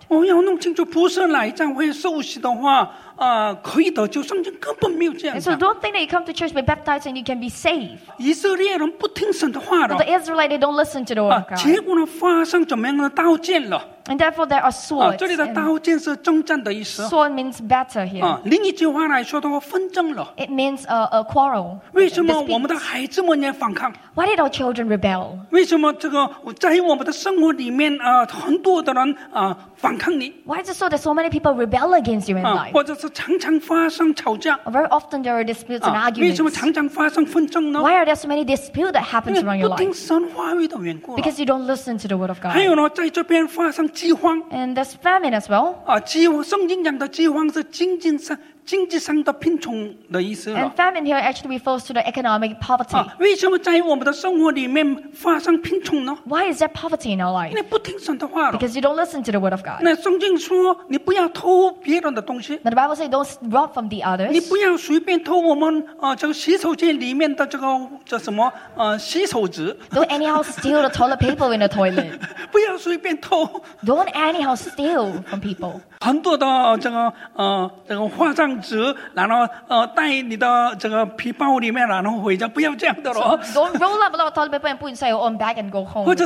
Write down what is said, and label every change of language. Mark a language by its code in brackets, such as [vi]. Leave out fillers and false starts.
[zh] 我要弄清楚，不是来教会受洗的话，可以得救。圣经根本没有这样。 [en] So don't think that you come to church, be baptized, and you can be saved. [zh] 以色列人不听神的话了。 [en] But the Israelites, they don't listen to the word of God. [zh] 结果呢，发生怎么样的刀剑了？ [en] And therefore, there are swords. [zh] 这里的刀剑是征战的意思。 [en] Sword means battle here. [zh] 另一句话来说的话，纷争了。 [en] It means a quarrel. [zh] 为什么我们的孩子们也反抗？ [en] Why did our children rebel? [zh] 为什么这个在我们的生活里面？很多的人, [en] Why is it so that so many people rebel against you in life? [zh] 或者是常常发生吵架, [en] Very often there are disputes and arguments. [zh] 为什么常常发生纷争呢? [en] Why are there so many disputes that happen around your life? Because you don't listen to the word of God. [zh] 还有呢,在这边发生饥荒, [en] and there's famine as well. [zh] 圣经讲的饥荒是经济上, 经济上的贫穷的意思了。 [en] And famine here actually refers to the economic poverty. [zh] 为什么在我们的生活里面发生贫穷呢? [en] Why is there poverty in our life? [zh] 你不听神的话了。 [en] Because you don't listen to the word of God. [zh] 那圣经说你不要偷别人的东西。 [en] But the Bible says don't rob from the others. [zh] 你不要随便偷我们这个洗手间里面的这个叫什么洗手纸。 [en] Don't anyhow steal the toilet paper in the toilet. [zh] 不要随便偷。 [en] Don't anyhow steal from people. [zh] 很多的这个化妆纸，然后带你的这个皮包里面，然后回家，不要这样的咯。 [en] So, don't roll up a lot of toilet paper and put inside your own bag and go home.